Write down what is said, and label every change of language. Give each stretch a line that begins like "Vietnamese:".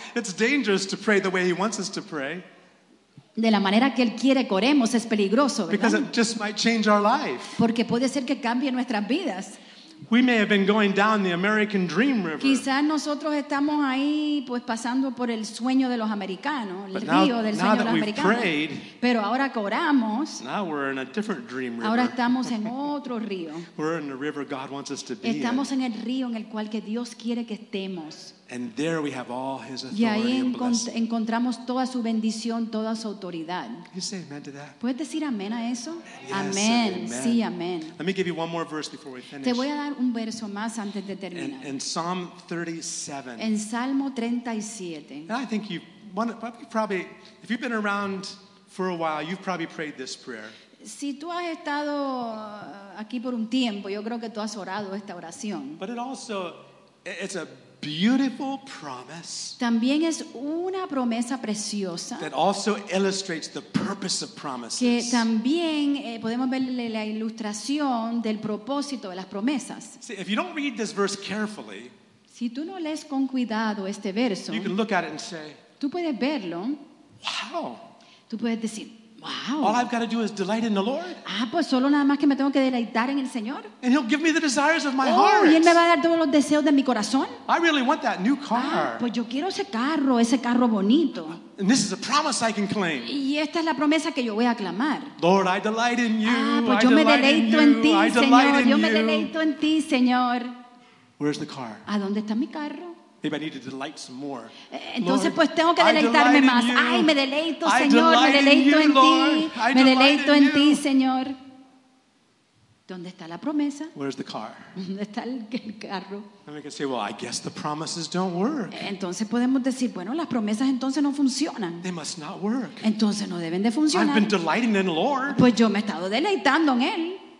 English: It's dangerous to pray the way he wants us to pray.
Spanish: De la manera que él quiere que oremos es peligroso, ¿verdad?
English: Because it just might change our life.
Spanish: Porque puede ser que cambie nuestras vidas.
English: We may have been going down the American Dream River.
Spanish: Quizás nosotros estamos ahí pues pasando por el sueño de los americanos, el
English: but
Spanish: río
English: now,
Spanish: del sueño de los americanos.
English: Prayed,
Spanish: pero ahora que oramos,
English: now we're in a different dream river.
Spanish: Ahora estamos en otro río.
English: We're in the river God wants us to be.
Spanish: Estamos en el río en el cual que Dios quiere que estemos.
English: And there we have all his authority and blessing.
Spanish: Encontramos toda su bendición, toda su autoridad.
English: You say amen to that?
Spanish: ¿Puedes decir amén a eso?
English: Yes, amen. Amen.
Spanish: Sí, amén.
English: Let me give you one more verse before we finish.
Spanish: Te voy a dar un verso más antes de terminar.
English: In Psalm 37.
Spanish: En Salmo 37.
English: And I think you probably, if you've been around for a while, you've probably prayed this prayer.
Spanish: Si tú has estado aquí por un tiempo, yo creo que tú has orado esta oración.
English: But it also, it's a beautiful promise.
Spanish: También es una promesa preciosa.
English: That also illustrates the purpose of promises.
Spanish: Que también podemos ver la ilustración del propósito de las promesas.
English: See, if you don't read this verse carefully,
Spanish: si tú no lees con cuidado este verso,
English: you can look at it and say,
Spanish: tú puedes verlo.
English: Wow.
Spanish: Tú puedes decir, wow.
English: All I've got to do is delight in the Lord.
Spanish: Ah, pues solo nada más que me tengo que deleitar en el Señor.
English: And He'll give me the desires of my heart.
Spanish: Y Él me va a dar todos los deseos de mi corazón.
English: I really want that new car.
Spanish: Ah, pues yo quiero ese carro bonito.
English: And this is a promise I can claim.
Spanish: Y esta es la promesa que yo voy a clamar.
English: Lord, I delight in you.
Spanish: Ah, pues yo me deleito en ti, Señor. Yo me deleito en ti, Señor.
English: Where's the car?
Spanish: ¿A dónde está mi carro?
English: Maybe I need to delight some more.
Spanish: Entonces, pues tengo que deleitarme más.
English: You.
Spanish: Ay, me deleito, Señor, me deleito
English: you,
Spanish: en
English: Lord.
Spanish: Ti. Me deleito en ti, Señor. ¿Dónde está la promesa?
English: Where's the car?
Spanish: ¿Dónde está el carro?
English: And we can say, well, I guess the promises don't work.
Spanish: Entonces podemos decir, bueno, las promesas entonces no funcionan.
English: They must not work.
Spanish: Entonces no deben de funcionar.
English: I've been delighting in the Lord.
Spanish: Pues yo me he estado deleitando en Él.